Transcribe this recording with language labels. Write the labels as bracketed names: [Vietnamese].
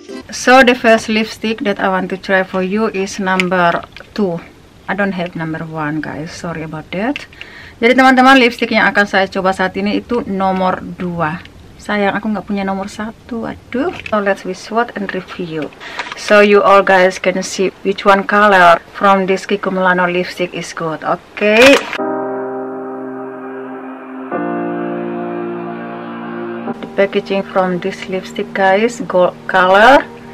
[English] So the first lipstick that I want to try for you is number 2. I don't have number 1 guys, sorry about that. [Indonesian] Jadi teman-teman, lipstick yang akan saya coba saat ini itu nomor 2. Sayang, aku nggak punya nomor 1. [English] Aduh. So let's we swatch and review. So you all guys can see which one color from this Kiko Milano lipstick is good. Okay. The packaging from this lipstick guys, gold color.